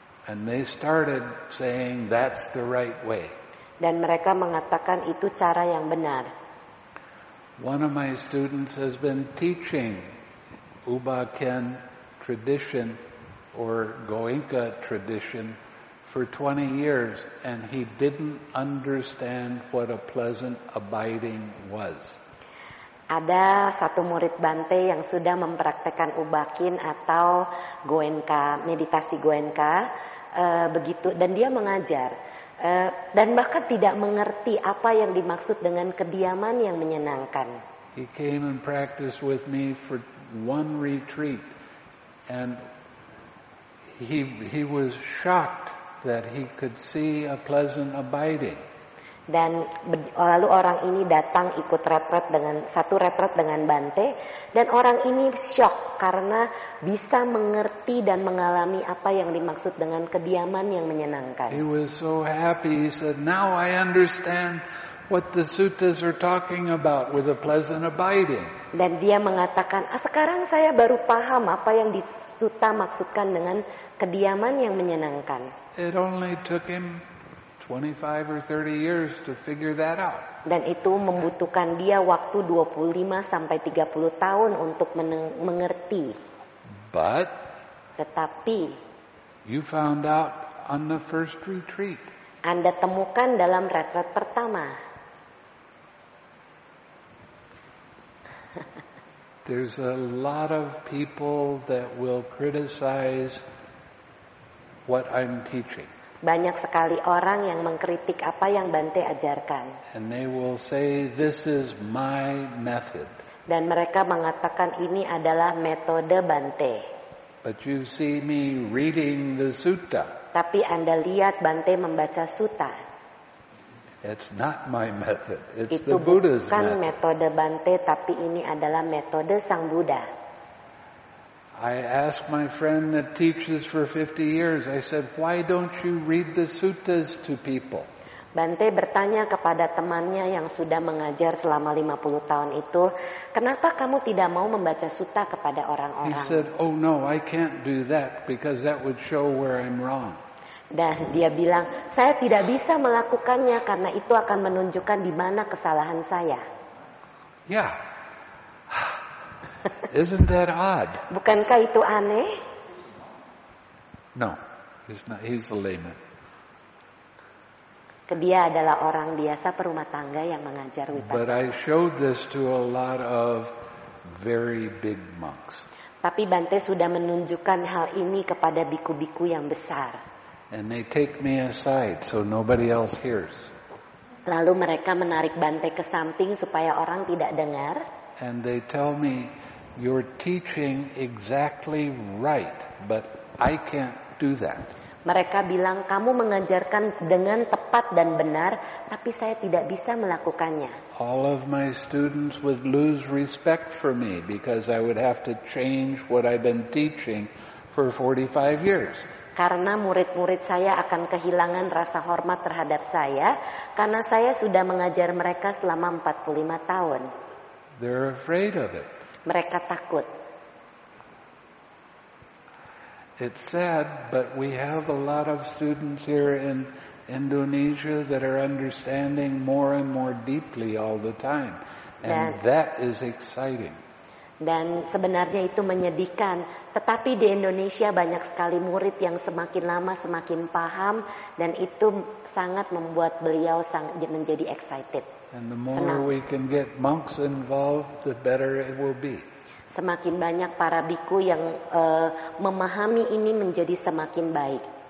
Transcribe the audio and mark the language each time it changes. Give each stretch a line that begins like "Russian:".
English: And they started saying that's the right way.
Indonesian: Dan mereka mengatakan itu cara yang benar.
English: One of my students has been teaching Ubaken tradition or Goenka tradition for 20 years and he didn't understand what a pleasant abiding was.
Indonesian: Ada satu murid Bante yang sudah mempraktikkan Ubaken atau Goenka, meditasi Goenka, begitu, dan dia mengajar dan bahkan tidak mengerti apa yang dimaksud dengan kediaman yang menyenangkan.
English: He came and practiced with me for one retreat and he was shocked that he could see a pleasant abiding.
Indonesian: Dan lalu orang ini datang ikut retret dengan satu retret dengan Bante dan orang ini shock karena bisa mengerti dan mengalami apa yang dimaksud dengan kediaman yang menyenangkan.
English: He was so happy. He said, "Now I understand what the suttas are talking about with a pleasant abiding."
Indonesian: Dan dia mengatakan, "Ah, sekarang saya baru paham apa yang di sutta maksudkan dengan kediaman yang menyenangkan."
English: It only took him 25 or 30 years to figure that out.
Indonesian: Dan itu membutuhkan dia waktu 25 sampai 30 tahun untuk mengerti.
English: But
Indonesian: tetapi
English: you found out on the first retreat.
Indonesian: Anda temukan dalam retret pertama.
English: There's a lot of people that will criticize what I'm teaching.
Indonesian: Banyak sekali orang yang mengkritik apa yang Bante ajarkan.
English: And they will say, "This is my method."
Indonesian: Dan mereka mengatakan ini adalah metode Bante.
English: But you see me reading the sutta.
Indonesian: Tapi Anda lihat Bante membaca sutta.
English: It's not my method. It's
Indonesian: itu
English: the Buddha's method.
Indonesian: Bukan metode Bante, tapi ini adalah metode Sang Buddha.
English: I asked my friend that teaches for 50 years. I said, "Why don't you read the suttas to people?"
Indonesian: Bante bertanya kepada temannya yang sudah mengajar selama 50 tahun itu, "Kenapa kamu tidak mau membaca sutta kepada orang-orang?"
English: He said, "Oh no, I can't do that because that would show where I'm wrong."
Indonesian: Dan dia bilang, "Saya tidak bisa melakukannya karena itu akan menunjukkan di mana kesalahan saya."
English: Yeah. Isn't that odd?
Indonesian: Bukankah itu aneh?
English: No, he's not. He's a layman.
Indonesian: Dia adalah orang biasa perumah tangga yang mengajar vipassana.
English: But I showed this to a lot of very big monks.
Indonesian: Tapi Bante sudah menunjukkan hal ini kepada biku-biku yang besar.
English: And they take me aside so nobody else hears.
Indonesian: Lalu mereka menarik Bante ke samping supaya orang tidak dengar.
English: And they tell me, "You're teaching exactly right, but I can't do that."
Indonesian: Mereka bilang, "Kamu mengajarkan dengan tepat dan benar, tapi saya tidak bisa melakukannya."
English: All of my students would lose respect for me because I would have to change what I've been teaching for 45 years.
Indonesian: Karena murid-murid saya akan kehilangan rasa hormat terhadap saya karena saya sudah mengajar mereka selama 45 tahun.
English: They're afraid of it.
Indonesian: Mereka takut.
English: It's sad, but we have a lot of students here in Indonesia that are understanding more and more deeply all the time. And that is exciting.
Indonesian: Dan sebenarnya itu menyedihkan, tetapi di Indonesia banyak sekali murid yang semakin lama semakin paham, dan itu sangat membuat beliau sangat menjadi excited.
English: And the more
Indonesian: senang.
English: We can get monks involved, the better it will be.
Indonesian: Semakin banyak para biku yang memahami ini menjadi semakin baik.